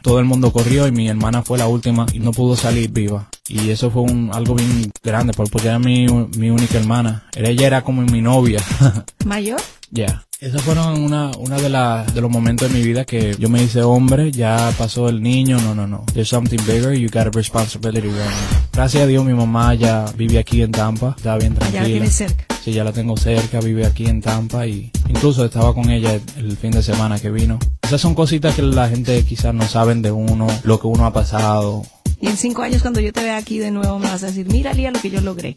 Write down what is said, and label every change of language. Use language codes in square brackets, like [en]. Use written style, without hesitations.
[es] Todo el mundo corrió y mi hermana fue la última y no pudo salir viva. Y eso fue algo bien grande porque era mi única hermana. Ella era como mi novia. ¿Mayor? Ya. Yeah. Esos fueron una de los momentos de mi vida que yo me hice hombre, ya pasó el niño, no. [en] There's something bigger, you got a responsibility right now. [es] Gracias a Dios mi mamá ya vive aquí en Tampa, está bien tranquila. Ya la tienes cerca. Sí, ya la tengo cerca, vive aquí en Tampa y incluso estaba con ella el fin de semana que vino. Esas son cositas que la gente quizás no saben de uno, lo que uno ha pasado. Y en 5 años cuando yo te vea aquí de nuevo me vas a decir, mira Lía lo que yo logré.